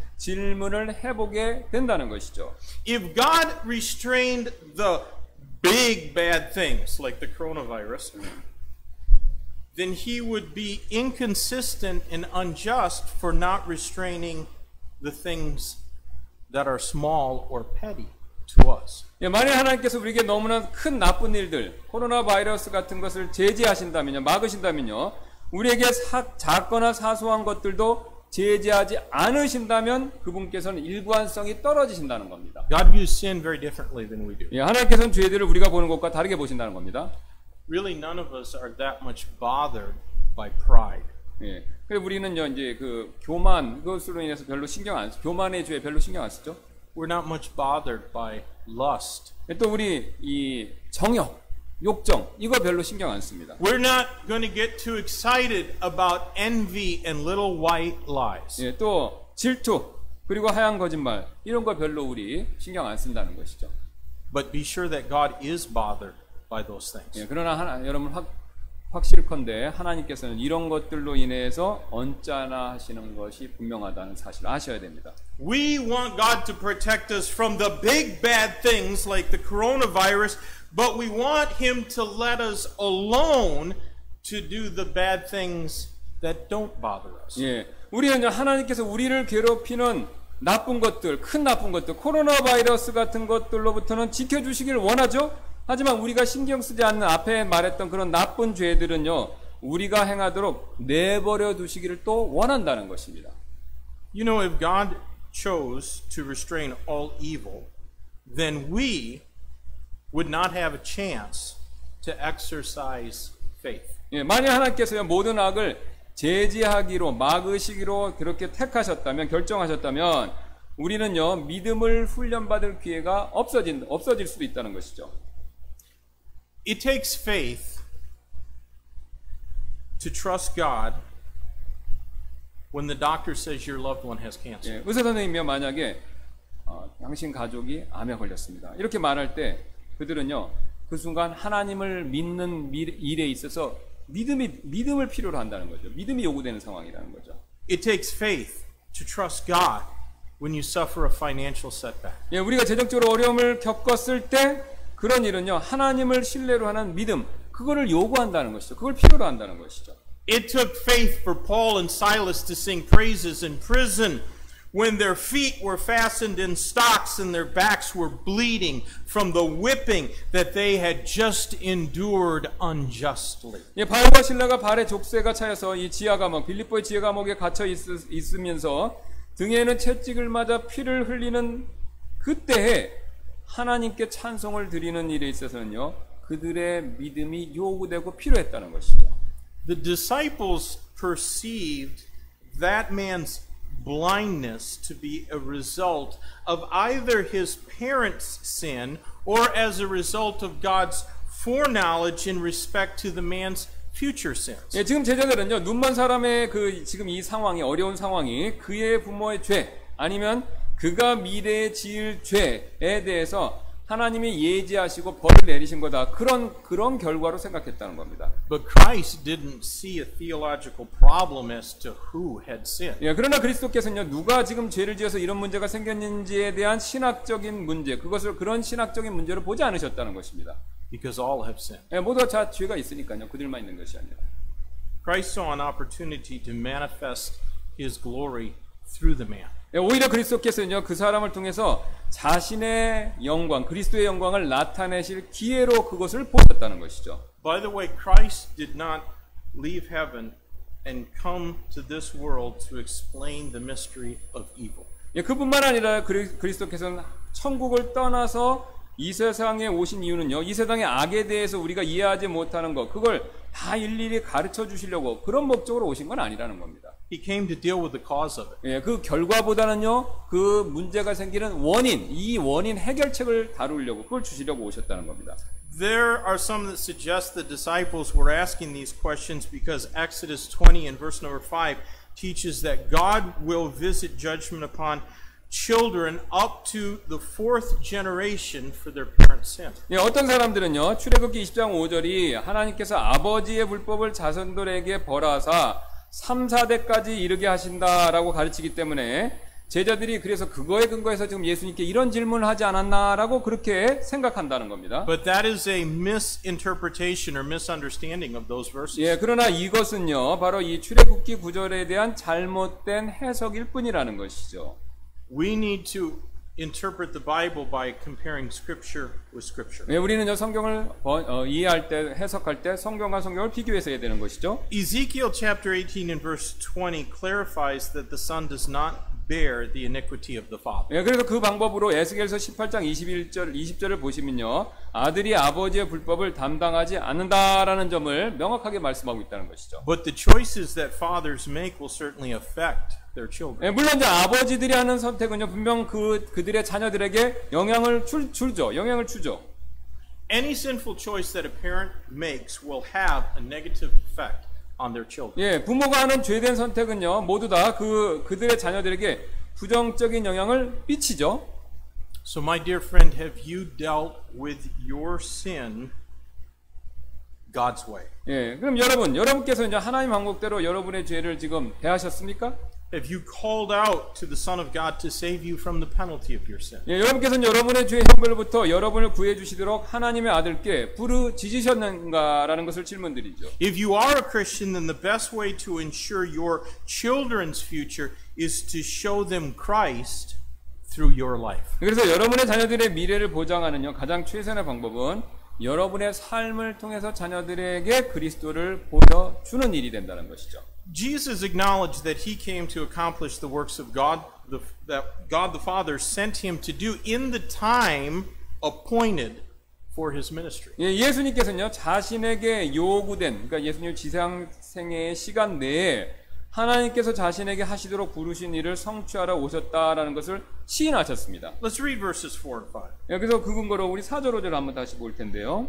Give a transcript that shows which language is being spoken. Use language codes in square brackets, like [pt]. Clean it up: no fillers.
[ko] 질문을 해보게 된다는 것이죠. [en] If God restrained the big bad things like the coronavirus, then He would be inconsistent and unjust for not restraining the things that are small or petty to us. [ko] 예, 만약 하나님께서 우리에게 너무나 큰 나쁜 일들, 코로나 바이러스 같은 것을 제지하신다면요, 막으신다면요, 우리에게 작거나 사소한 것들도 제재하지 않으신다면 그분께서는 일관성이 떨어지신다는 겁니다. [en] God views sin very differently than we do. [ko] 예, 하나님께서는 죄들을 우리가 보는 것과 다르게 보신다는 겁니다. [en] Really, none of us are that much bothered by pride. [ko] 예, 그래서 우리는요 이제 그 교만 그것으로 인해서 별로 신경 안 교만의 죄 별로 신경 안 쓰죠. [en] We're not much bothered by lust. [ko] 예, 또 우리 이 정욕, 욕정 이거 별로 신경 안 씁니다. [en] We're not going to get too excited about envy and little white lies. [ko] 예, 또 질투 그리고 하얀 거짓말 이런 거 별로 우리 신경 안 쓴다는 것이죠. [en] But be sure that God is bothered by those things. [ko] 예, 그러나 여러분 확실컨대 하나님께서는 이런 것들로 인해서 언짢아하시는 것이 분명하다는 사실을 아셔야 됩니다. [en] We want God to protect us from the big bad things like the coronavirus, but we want Him to let us alone to do the bad things that don't bother us. [ko] 예, 우리는 하나님께서 우리를 괴롭히는 나쁜 것들, 큰 나쁜 것들, 코로나 바이러스 같은 것들로부터는 지켜주시길 원하죠. 하지만 우리가 신경 쓰지 않는 앞에 말했던 그런 나쁜 죄들은요 우리가 행하도록 내버려 두시기를 또 원한다는 것입니다. [en] You know, if God chose to restrain all evil, then we would not have a chance to exercise faith. [ko] 예, 만약 하나님께서요 모든 악을 제지하기로 막으시기로 그렇게 택하셨다면 결정하셨다면 우리는요 믿음을 훈련받을 기회가 없어질 수도 있다는 것이죠. [en] It takes faith to trust God when the doctor says your loved one has cancer. [ko] 예, 의사 선생님이 만약에 당신 가족이 암에 걸렸습니다. 이렇게 말할 때 그들은요 그 순간 하나님을 믿는 일에 있어서 믿음을 필요로 한다는 거죠. 믿음이 요구되는 상황이라는 거죠. [en] It takes faith to trust God when you suffer a financial setback. [ko] 예, 우리가 재정적으로 어려움을 겪었을 때. 그런 일은요 하나님을 신뢰로 하는 믿음 그거를 요구한다는 것이죠. 그걸 필요로 한다는 것이죠. [en] It took faith for Paul and Silas to sing praises in prison when their feet were fastened in stocks and their backs were bleeding from the whipping that they had just endured unjustly. [ko] 예, 바울과 실라가 발에 족쇄가 차여서 이 지하 감옥 빌립보의 지하 감옥에 갇혀 있으면서 등에는 채찍을 맞아 피를 흘리는 그때에 하나님께 찬송을 드리는 일에 있어서는요 그들의 믿음이 요구되고 필요했다는 것이죠. [en] The disciples perceived that man's blindness to be a result of either his parents' sin or as a result of God's foreknowledge in respect to the man's future sins. [ko] 예, 지금 제자들은요 눈먼 사람의 그 지금 이 상황이 어려운 상황이 그의 부모의 죄 아니면 그가 미래에 지을 죄에 대해서 하나님이 예지하시고 벌을 내리신 거다. 그런 결과로 생각했다는 겁니다. [en] But Christ didn't see a theological problem as to who had sinned. [ko] 예, 그러나 그리스도께서는요, 누가 지금 죄를 지어서 이런 문제가 생겼는지에 대한 신학적인 문제, 그것을 그런 신학적인 문제로 보지 않으셨다는 것입니다. [en] Because all have sinned. [ko] 예, 모두 다 죄가 있으니까요. 그들만 있는 것이 아니라. [en] Christ saw an opportunity to manifest his glory through the man. [ko] 오히려 그리스도께서는요 그 사람을 통해서 자신의 영광, 그리스도의 영광을 나타내실 기회로 그것을 보셨다는 것이죠. [en] By the way, Christ did not leave heaven and come to this world to explain the mystery of evil. [ko] 예, 그뿐만 아니라 그리스도께서는 천국을 떠나서 이 세상에 오신 이유는요 이 세상의 악에 대해서 우리가 이해하지 못하는 것, 그걸 다 일일이 가르쳐 주시려고 그런 목적으로 오신 건 아니라는 겁니다. [en] He came to deal with the cause of it. [ko] 예, 그 결과보다는요, 그 문제가 생기는 원인, 이 원인 해결책을 다루려고 그걸 주시려고 오셨다는 겁니다. [en] There are some that suggest the disciples were asking these questions because Exodus 20 and verse number 5 teaches that God will visit judgment upon children up to the fourth generation for their parents' sin. [ko] 예, 어떤 사람들은요, 출애굽기 20장 5절이 하나님께서 아버지의 불법을 자손들에게 벌하사 3, 4대까지 이르게 하신다라고 가르치기 때문에 제자들이 그래서 그거에 근거해서 지금 예수님께 이런 질문을 하지 않았나라고 그렇게 생각한다는 겁니다. [en] But that is a misinterpretation or misunderstanding of those verses. [ko] 예, 그러나 이것은요 바로 이 출애굽기 구절에 대한 잘못된 해석일 뿐이라는 것이죠. [en] We need to interpret the Bible by comparing scripture with scripture. [ko] 네, 우리는 성경을 이해할 때 해석할 때 성경과 성경을 비교해서 해야 되는 것이죠. [en] Ezekiel chapter 18 and verse 20 clarifies that the son does not bear the iniquity of the father. [ko] 예, 그래서 그 방법으로 에스겔서 18장 21절 20절을 보시면요. 아들이 아버지의 불법을 담당하지 않는다라는 점을 명확하게 말씀하고 있다는 것이죠. [en] But the choices that fathers make will certainly affect their children. [ko] 예, 물론 이제 아버지들이 하는 선택은요. 분명 그들의 자녀들에게 영향을 줄죠. 영향을 주죠. [en] Any sinful choice that a parent makes will have a negative effect on their children. [ko] 예, 부모가 하는 죄된 선택은요. 모두 다 그들의 자녀들에게 부정적인 영향을 끼치죠. [en] So my dear friend, have you dealt with your sin God's way? [ko] 예, 그럼 여러분께서 이제 하나님 방법대로 여러분의 죄를 지금 대하셨습니까? [en] Have you called out to the Son of God to save you from the penalty of your sin? [ko] 예, 여러분께서는 여러분의 죄 형벌로부터 여러분을 구해 주시도록 하나님의 아들께 부르짖으셨는가라는 것을 질문드리죠. [en] If you are a Christian, then the best way to ensure your children's future is to show them Christ through your life. [ko] 그래서 여러분의 자녀들의 미래를 보장하는요 가장 최선의 방법은 여러분의 삶을 통해서 자녀들에게 그리스도를 보여 주는 일이 된다는 것이죠. [en] Jesus acknowledged that he came to accomplish the works of God that God the Father sent him to do in the time appointed for his ministry. [ko] 예, 예수님께서는요 자신에게 요구된 그러니까 예수님 지상 생애의 시간 내에 하나님께서 자신에게 하시도록 부르신 일을 성취하러 오셨다라는 것을 시인하셨습니다. [en] Let's read verses 4 and 5. [ko] 여기서 그 근거로 우리 4절 5절 한번 다시 볼 텐데요.